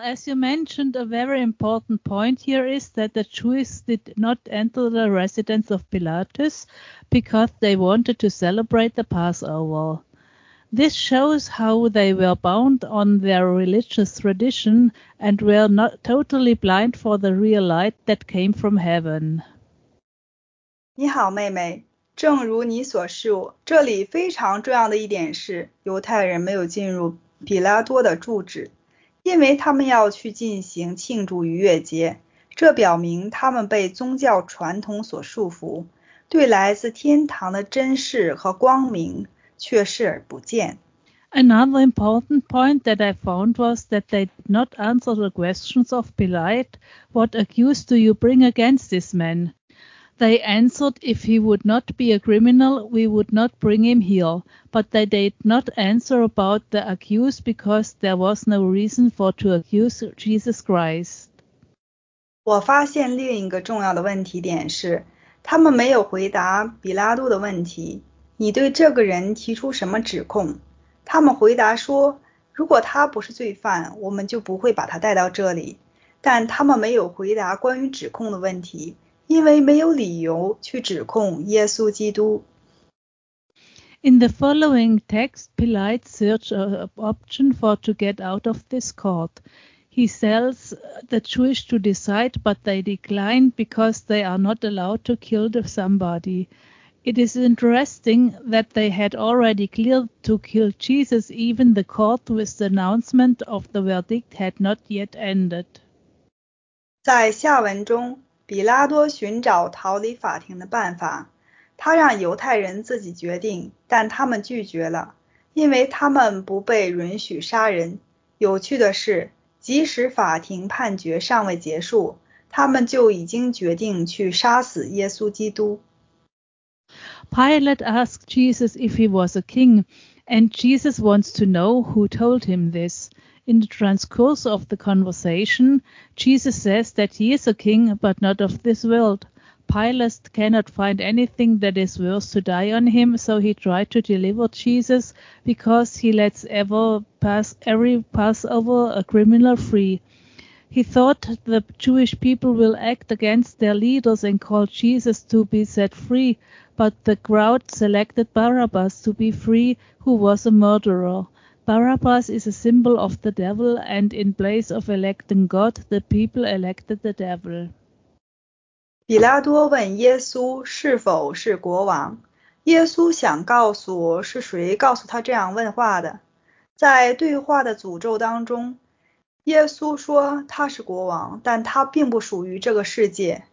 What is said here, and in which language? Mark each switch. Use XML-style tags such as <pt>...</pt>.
<en>As you mentioned, a very important point here is that the Jews did not enter the residence of Pilatus because they wanted to celebrate the Passover. This shows how they were bound on their religious tradition and were not totally blind for the real light that came from heaven.</en> <zh>你好，妹妹。正如你所述，这里非常重要的一点是，犹太人没有进入比拉多的住址，因为他们要去进行庆祝逾越节，这表明他们被宗教传统所束缚，对来自天堂的真实和光明却视而不见。</zh> <en>Another important point that I found was that they did not answer the questions of Pilate, what accuse do you bring against this man? They answered, if he would not be a criminal, we would not bring him here. But they did not answer about the accused because there was no reason for to accuse Jesus Christ.</en> <zh>我发现另一个重要的问题点是，他们没有回答比拉多的问题。你对这个人提出什么指控？他们回答说，如果他不是罪犯，我们就不会把他带到这里。但他们没有回答关于指控的问题。因为没有理由去指控耶稣基督。</zh> <en>In the following text, Pilate searched an option for to get out of this court. he tells the Jewish to decide, but they decline because they are not allowed to kill somebody. It is interesting that they had already cleared to kill Jesus, even the court with the announcement of the verdict had not yet ended.</en> <zh>在下文中，比拉多寻找逃离法庭的办法，他让犹太人自己决定，但他们拒绝了，因为他们不被允许杀人。有趣的是，即使法庭判决尚未结束，他们就已经决定去杀死耶稣基督。</zh> <en>Pilate asked Jesus if he was a king, and Jesus wants to know who told him this. In the transcourse of the conversation, Jesus says that he is a king, but not of this world. Pilate cannot find anything that is worth to die on him, so he tried to deliver Jesus because he lets every Passover a criminal free. He thought the Jewish people will act against their leaders and call Jesus to be set free, but the crowd selected Barabbas to be free, who was a murderer. Barabbas is a symbol of the devil, and in place of electing God, the people elected the devil.</en> <zh>比拉多问耶稣是否是国王，耶稣想告诉是谁告诉他这样问话的。在对话的诅咒当中，耶稣说他是国王，但他并不属于这个世界。</zh>